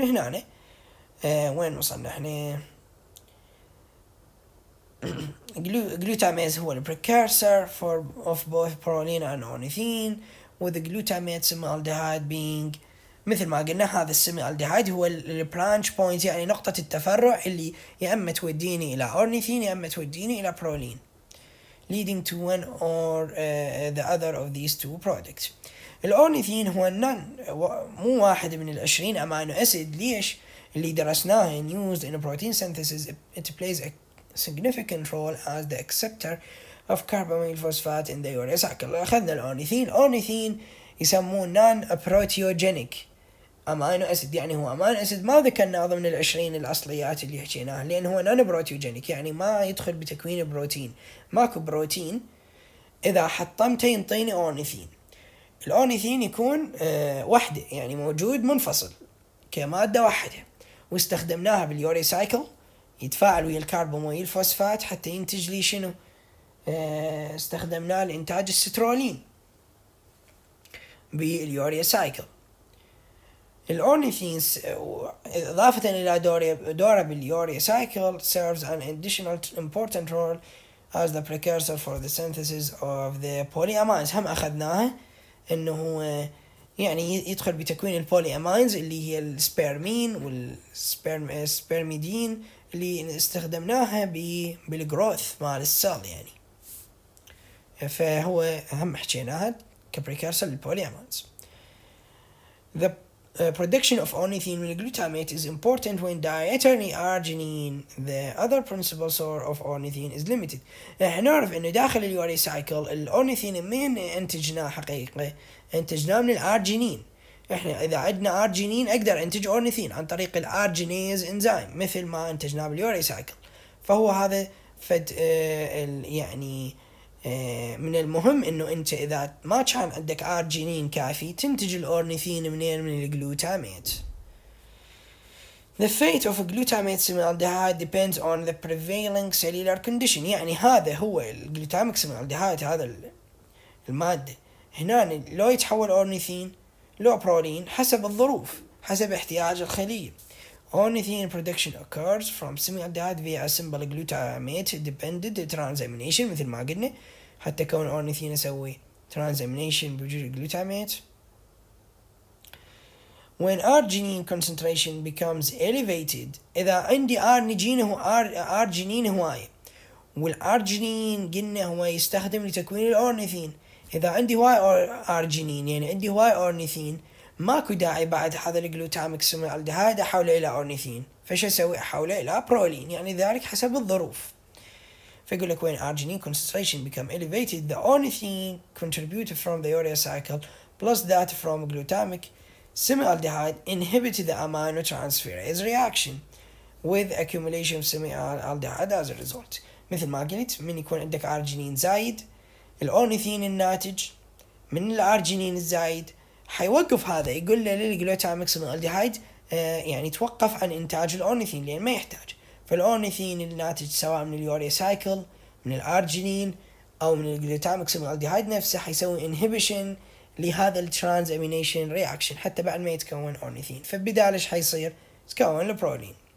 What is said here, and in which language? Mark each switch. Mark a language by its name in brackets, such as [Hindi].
[Arabic] هنا وين وصلنا احنا؟ glutamate هو البريكارسر فور اوف بوث برولين ان اورنيثين، وذ جلوتاميت سيمي الديهايد بينج مثل ما قلنا هذا السيمي الديهايد هو البرانش بوينت، يعني نقطه التفرع اللي يا اما توديني الى اورنيثين يا اما توديني الى برولين، [English] leading to one or the other of these two products. [Arabic] الاورنيثين هو نون، مو واحد من ال20 امينو اسيد ليش اللي درسناه [English] in used in a protein synthesis. It plays a significant role as the acceptor of carbamyl phosphate in the urea cycle. [Arabic] اخذنا الاورنيثين، اورنيثين يسمون نون بروتيوجينيك امينو اسيد يعني هو امينو اسيد ما ذكرنا ضمن العشرين الاصليات اللي حكيناها، لان هو نون بروتيوجينيك يعني ما يدخل بتكوين البروتين. ماكو بروتين اذا حطمته ينطيني اورنيثين. الاورنيثين يكون وحده يعني موجود منفصل كماده واحده، واستخدمناها باليوري سايكل يتفاعل ويا الكربمويل فوسفات حتى ينتج لي شنو، استخدمناه لانتاج السترولين باليوريا سايكل. الاورنيثين اضافه الى دوره باليوريا سايكل [English] Serves an additional important role as the precursor for the synthesis of the polyamines. [Arabic] هم اخذناها انه يعني يدخل بتكوين البولي امينز اللي هي السبيرمين والسبيرميدين اللي استخدمناها بالجروث مال السيل يعني. فهو اهم حكيناها كبريكرسر للبولي امينز. [English] The production of ornithine with glutamate is important when dietary arginine, the other principal source of ornithine, is limited. [Arabic] احنا نعرف انه داخل اليوري سايكل الاورنيثين مين انتجناه حقيقي؟ انتجناه من الارجينين. احنا اذا عندنا ارجينين اقدر انتج اورنيثين عن طريق الارجينيز انزيم مثل ما انتجناه باليوري سايكل. فهو هذا فد يعني من المهم انه انت اذا ما كان عندك ارجينين كافي تنتج الاورنيثين منين؟ من الجلوتاميت. [English] The fate of glutamate semialdehyde depends on the prevailing cellular condition. [Arabic] يعني هذا هو الجلوتاميك سيمالديهايد هذا المادة هنا لو يتحول اورنيثين لو برولين حسب الظروف حسب احتياج الخلية. [English] Ornithine production occurs from semialdehyde via simple glutamate-dependent transamination [Arabic] مثل ما قلنا، حتى كون [English] ornithine يسوي transamination بوجود glutamate. When arginine concentration becomes elevated، [Arabic] إذا عندي arginine هواية والarginine قلنا هو يستخدم لتكوين الornithine، إذا عندي هواية arginine يعني عندي هواية ornithine ماكو داعي بعد هذا الجلوتاميك سيمالديهايد احوله الى اورنيثين، فش اسوي؟ احوله الى برولين، يعني ذلك حسب الظروف. فيقول لك [English] when arginine concentration become elevated the ornithine contributed from the urea cycle plus that from glutamic semialdehyde inhibit the amino transferase reaction with accumulation of semialdehyde as a result. [Arabic] مثل ما قلت من يكون عندك ارجينين زايد الاورنيثين الناتج من الارجينين الزايد حيوقف هذا، يقول له للجلوتاميك سيمالديهايد يعني توقف عن انتاج الاورنيثين لان ما يحتاج. فالاورنيثين الناتج سواء من اليوريا سايكل من الارجينين او من الجلوتاميك سيمالديهايد نفسه حيسوي انهيبيشن لهذا الترانز امينيشن رياكشن حتى بعد ما يتكون اورنيثين، فبدال ايش حيصير؟ يتكون البرولين.